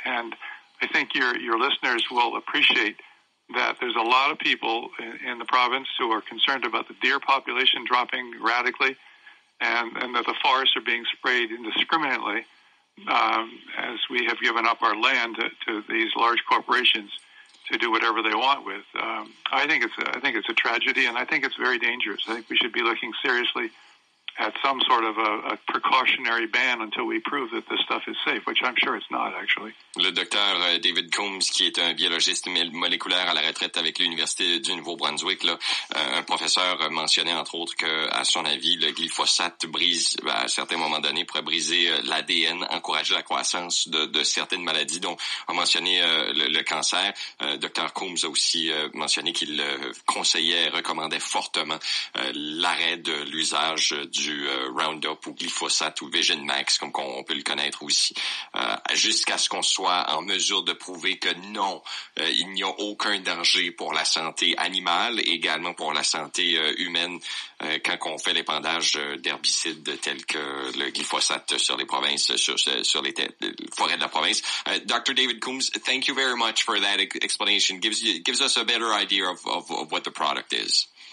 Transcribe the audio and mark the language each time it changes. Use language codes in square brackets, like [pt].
[en] And I think your listeners will appreciate that there's a lot of people in the province who are concerned about the deer population dropping radically and that the forests are being sprayed indiscriminately as we have given up our land to these large corporations to do whatever they want with. I think it's a tragedy, and I think it's very dangerous. I think we should be looking seriously at some sort of a precautionary ban until we prove that this stuff is safe, which I'm sure it's not, actually. [fr] Le docteur David Coombs, qui est un biologiste moléculaire à la retraite avec l'Université du Nouveau-Brunswick, là, un professeur mentionnait, entre autres, qu'à son avis, le glyphosate brise, à certains moments donnés, pourrait briser l'ADN, encourager la croissance de certaines maladies, dont on mentionnait le cancer. Docteur Coombs a aussi mentionné qu'il conseillait, recommandait fortement l'arrêt de l'usage du Roundup ou glyphosate ou Vision Max, comme qu'on peut le connaître aussi, jusqu'à ce qu'on soit en mesure de prouver que non, il n'y a aucun danger pour la santé animale, également pour la santé humaine, quand on fait l'épandage d'herbicides tels que le glyphosate sur les provinces, sur les forêts de la province. [en] Dr. David Coombs, thank you very much for that explanation. Gives us a better idea of what the product is.